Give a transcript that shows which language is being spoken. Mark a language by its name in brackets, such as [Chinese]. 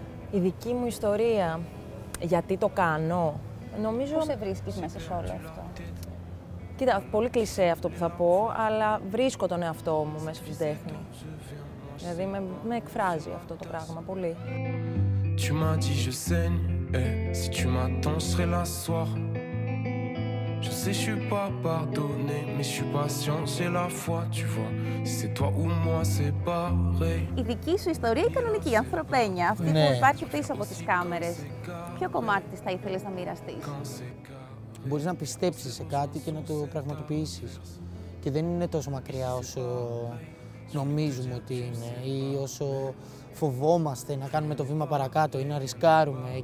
[Greek] Η δική μου ιστορία, γιατί το κάνω, νομίζω... Πώς σε βρίσκεις μέσα σε όλο αυτό? Κοίτα, πολύ κλισέ αυτό που θα πω, αλλά βρίσκω τον εαυτό μου μέσα στην τέχνη. Δηλαδή, με εκφράζει αυτό το πράγμα πολύ. [French] Tu m'as dit je saigne, et si tu m'attends, je serai là ce soir. Je sais, je suis pas pardonné, mais je suis patient, j'ai la foi, tu vois. C'est toi ou moi, c'est pareil. [Greek] Η δική σου ιστορία, η κανονική, η ανθρωπένια, αυτή ναι, που υπάρχει πίσω από τις κάμερες. Ποιο κομμάτι της θα ήθελες να μοιραστείς? Μπορείς να πιστέψεις σε κάτι και να το πραγματοποιήσεις. Και δεν είναι τόσο μακριά όσο νομίζουμε ότι είναι ή όσο φοβόμαστε να κάνουμε το βήμα παρακάτω ή να ρισκάρουμε.